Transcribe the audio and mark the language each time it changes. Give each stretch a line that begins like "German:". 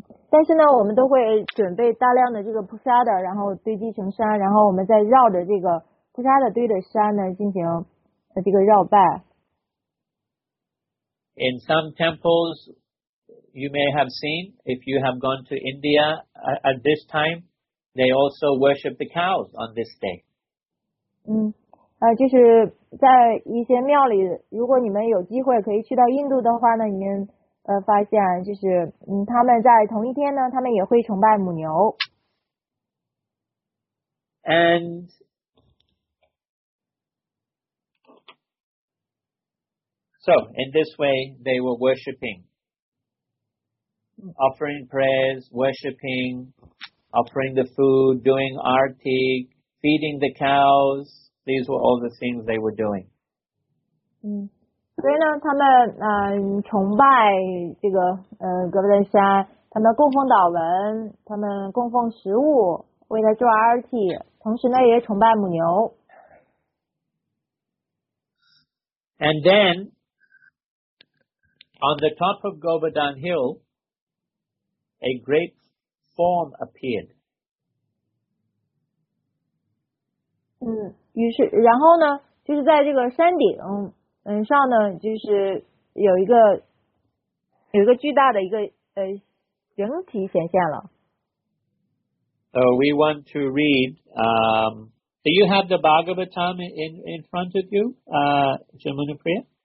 Chinese: 但是呢，我们都会准备大量的这个菩萨的，然后堆积成山，然后我们再绕着这个菩萨的堆的山呢进行这个绕拜。
English: In some temples, you may have seen if you have gone to India at this time, they also worship the cows on this day.
Chinese: 嗯，就是在一些庙里，如果你们有机会可以去到印度的话呢，你们。发现就是他们在同一天呢，他们也会崇拜母牛。
English: And So, in this way, they were worshipping. Offering prayers, worshipping, offering the food, doing arti, feeding the cows. These were all the things they were doing.
Chinese: 所以呢，他们崇拜这个格伦山，他们供奉祷文，他们供奉食物，为了做 RT， 同时呢也崇拜母牛。
English: And then on the top of Govardhan Hill, a great form appeared.
Chinese: 于是然后呢，就是在这个山顶。上呢就是有一个巨大的一个人体显现了。
English: So we want to read, do you have the Bhagavatam in front of you, Jamunapriya?